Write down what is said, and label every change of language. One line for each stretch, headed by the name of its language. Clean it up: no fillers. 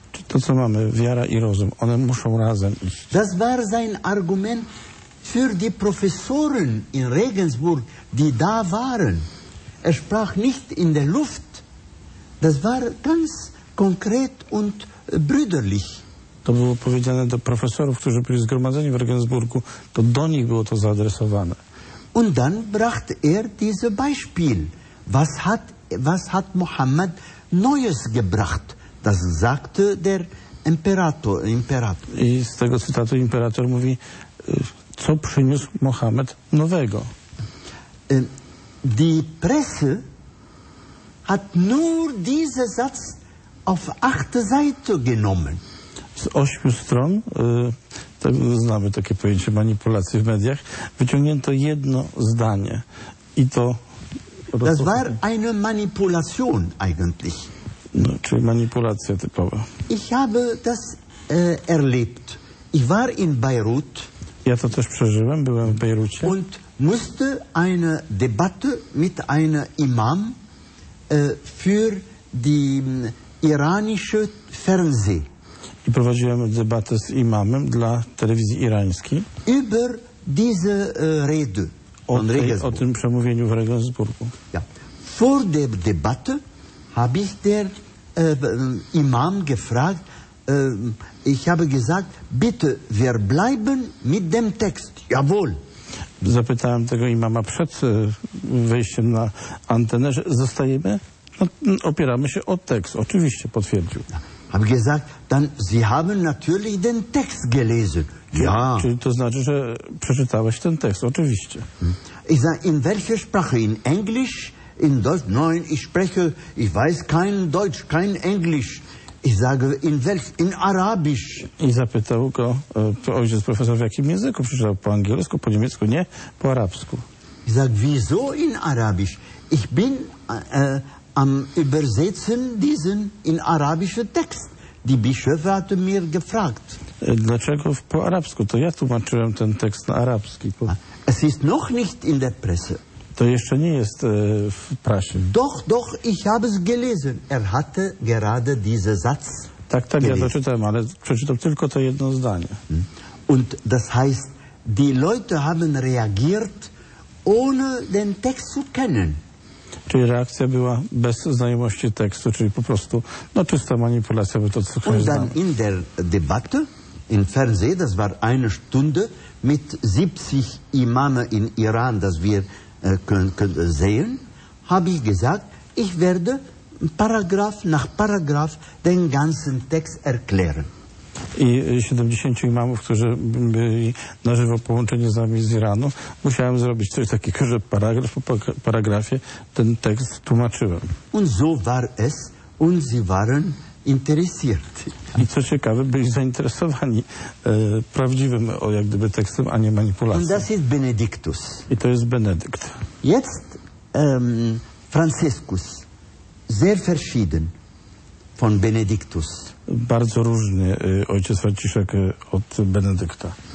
Polish: To, co mamy, wiara i rozum, one muszą razem iść.
German: Das war sein Argument für die Professoren in Regensburg, die da waren. Er sprach nicht in der Luft. Das war ganz konkret und brüderlich.
Polish: To było powiedziane do profesorów, którzy byli zgromadzeni w Regensburgu. To do nich było to zaadresowane.
German: Und dann brachte er dieses Beispiel. Was hat Mohammed Neues gebracht? Das sagte der Imperator.
Polish: I z tego cytatu imperator mówi, co przyniósł Mohammed nowego.
German: Die Presse hat nur diesen Satz auf 8 Seiten genommen.
Polish: Z 8 stron, to znamy takie pojęcie manipulacji w mediach, wyciągnięto jedno zdanie i to...
German: Das war eine Manipulation eigentlich.
Polish: No, czyli manipulacja typowa.
German: Ich habe das erlebt. Ich war in Beirut.
Polish: Ja to też przeżyłem, byłem w Bejrucie.
German: Und musste eine Debatte mit einem Imam für die iranische Fernseh.
Polish: I prowadziłem debatę z imamem dla telewizji irańskiej.
German: Über diese Rede.
Polish: O tym przemówieniu w Regensburgu.
German: Ja. Vor der Debatte habe ich der Imam gefragt, ich habe gesagt, bitte, wir bleiben mit dem Text. Jawohl.
Polish: Zapytałem tego imama przed wejściem na antenę, że zostajemy, no, opieramy się o tekst. Oczywiście, potwierdził.
German: Habe gesagt, dann Sie haben natürlich den Text gelesen. Ja.
Polish: Czyli to znaczy, że przeczytałeś ten tekst, oczywiście.
German: Ich sage, in welcher Sprache? In Englisch? In Deutsch? Nein, ich spreche, ich weiß kein Deutsch, kein Englisch. Ich sage, in welch, in Arabisch.
Polish: I zapytał go, ojciec profesor, w jakim języku przeczytał? Po angielsku, po niemiecku? Nie, po arabsku.
German: Ich sage, wieso in Arabisch? Ich bin am Übersetzen diesen in arabischen Text. Die Bischöfe hatten mir gefragt.
Polish: Dlaczego po arabsku? To ja tłumaczyłem ten tekst na arabski.
German: Es ist noch nicht in der Presse.
Polish: To jeszcze nie jest w prasie.
German: Doch, doch, ich habe es gelesen. Er hatte gerade diesen Satz.
Polish: Tak, tak,
German: gelesen.
Polish: Ja doczytałem, ale przeczytał tylko to jedno zdanie.
German: Und das heißt, die Leute haben reagiert, ohne den Text zu kennen.
Polish: Czyli reakcja była bez znajomości tekstu, czyli po prostu, no, czysta manipulacja, by to co ktoś.
German: Und dann
Polish: znamy.
German: In der Debatte, im Fernsehen, das war eine Stunde, mit 70 Imamen in Iran, das wir können sehen, habe ich gesagt, ich werde Paragraph nach Paragraph den ganzen Text erklären.
Polish: I 70 imamów, którzy byli na żywo połączeni z nami z Iranu, musiałem zrobić coś takiego, że paragraf po paragrafie ten tekst tłumaczyłem.
German: Und so war es, und sie waren interessiert.
Polish: I co ciekawe, byli zainteresowani prawdziwym, jak gdyby, tekstem, a nie manipulacją.
German: Und das ist Benediktus.
Polish: I to jest Benedykt.
German: Jetzt Franciscus, sehr verschieden von Benediktus.
Polish: Bardzo różny ojciec Franciszek od Benedykta.